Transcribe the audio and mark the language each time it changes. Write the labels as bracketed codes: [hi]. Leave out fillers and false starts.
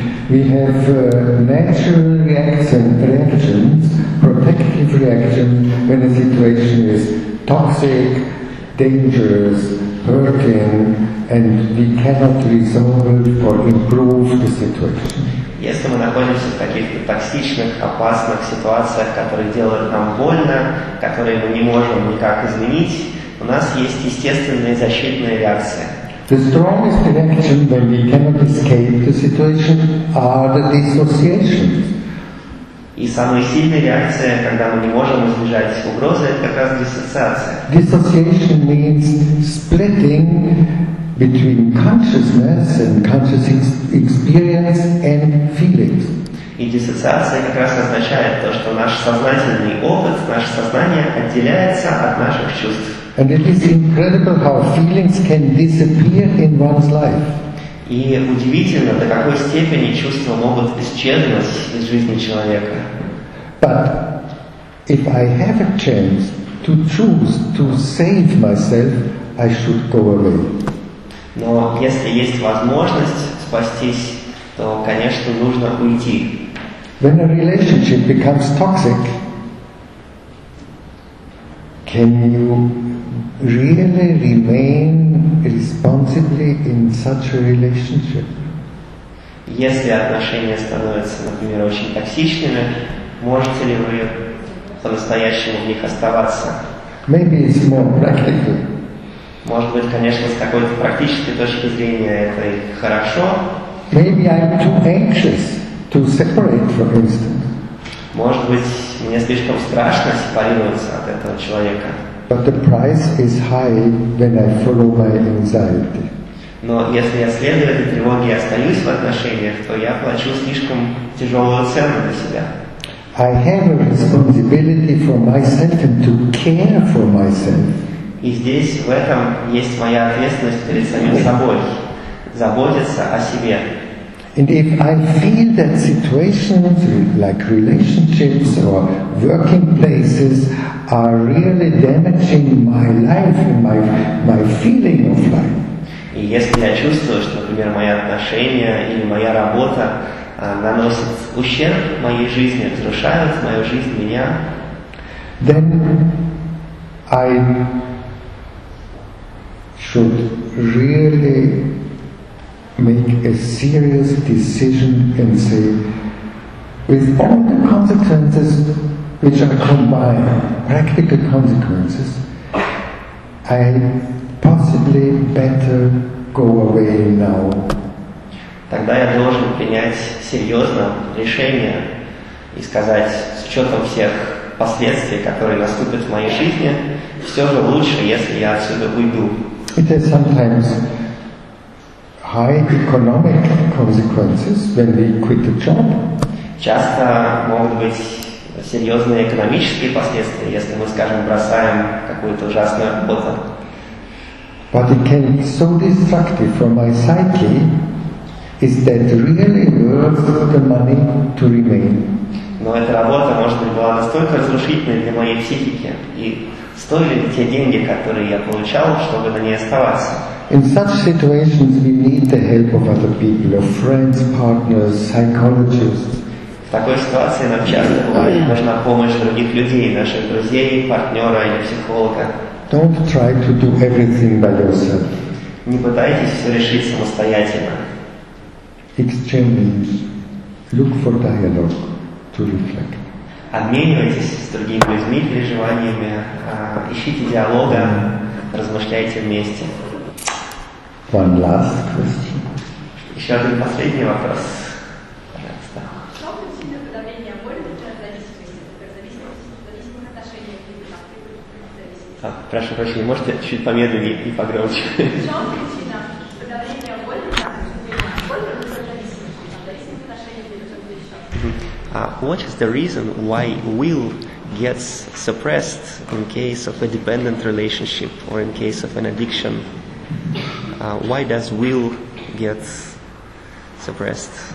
[en] We have natural reactions, protective reactions, when the situation is toxic, dangerous, hurting, and we cannot resolve it or improve the situation. [ru] Если мы находимся в каких-то токсичных, опасных ситуациях, которые делают нам больно, которые мы не можем никак изменить, у нас есть естественные защитные реакции. [en] The strongest reaction when we cannot escape the situation are the dissociations. [ru] И самая сильная реакция, когда мы не можем избежать угрозы, это как раз диссоциация. [en] Dissociation means splitting between consciousness and conscious experience and feelings. [ru] И диссоциация как раз означает то, что наш сознательный опыт, наше сознание отделяется от наших чувств. [en] And it is incredible how feelings can disappear in one's life. [ru] И удивительно, до какой степени чувства могут исчезнуть из жизни человека. [en] But if I have a chance to choose to save myself, I should go away. [ru] Но если есть возможность спастись, то, конечно, нужно уйти. [en] When a relationship becomes toxic, can you really remain responsibly in such a relationship? [ru] Если отношения становятся, например, очень токсичными, можете ли вы по-настоящему в них оставаться? [en] Maybe it's more practical. [ru] Может быть, конечно, с какой-то практической точки зрения это и хорошо. [en] Maybe I'm too anxious to separate, for instance. [ru] Может быть, мне слишком страшно сепарироваться от этого человека. [en] But the price is high when I follow my anxiety. [ru] Но если я следую этой тревоге и остаюсь в отношениях, то я плачу слишком тяжелую цену для себя. [en] I have a responsibility for myself and to care for myself. [ru] И здесь, в этом, есть моя ответственность перед самим собой. Заботиться о себе. [en] And if I feel that situations like relationships or working places are really damaging my life and my feeling of life. [ru] И если я чувствую, что, например, мои отношения или моя работа наносят ущерб моей жизни, разрушают мою жизнь, меня, [en] then I should really make a serious decision and say, with all the consequences which are combined, practical consequences, I possibly better go away now. [ru] Тогда я должен принять серьезное решение и сказать, с учетом всех последствий, которые наступят в моей жизни, все же лучше, если я отсюда уйду. [en] It is sometimes high economic consequences when we quit the job. [ru] Часто могут быть серьезные экономические последствия, если мы, скажем, бросаем какую-то ужасную работу. [en] But it can be so destructive for my psyche. Is that really worth the money to remain? [ru] Но эта работа, может быть, была настолько разрушительной для моей психики, и стоили ли те деньги, которые я получал, чтобы на ней оставаться? [en] In such situations, we need the help of other people, of friends, partners, psychologists. [ru] В такой ситуации нам часто бывает нужна помощь других людей, наших друзей, партнера или психолога. [en] Don't try to do everything by yourself. [ru] Не пытайтесь все решить самостоятельно. [en] Exchange. Look for dialogue to reflect. [ru] Обменивайтесь с другими людьми переживаниями, ищите диалога, размышляйте вместе. [en] One last question. [ru] Еще один последний вопрос. Прошу прощения, можете чуть помедленнее и погромче? В чем причина подавления боли в зависимости? [en] What is the reason why will gets suppressed in case of a dependent relationship or in case of an addiction? Why does will get suppressed?